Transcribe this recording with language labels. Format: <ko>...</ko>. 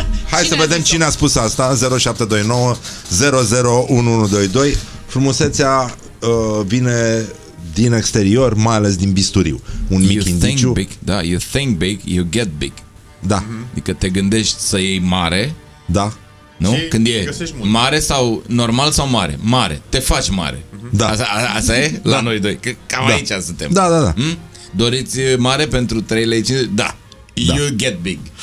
<ro>Hai cine să vedem a cine a spus asta. 0729 001122. Frumusețea vine din exterior, mai ales din bisturiu. Un mic indiciu.</ro> <en>Da, you think big, you get big.</en> <ro>Da. Adică te gândești să iei mare. Da. Nu? Când e mare sau normal sau mare? Mare. Te faci mare. Da. Asta e la noi doi. Cam aici suntem. Da, da, da. Hmm? Doriți mare pentru 3 lei? Da.</ro> <en>You get big.</en>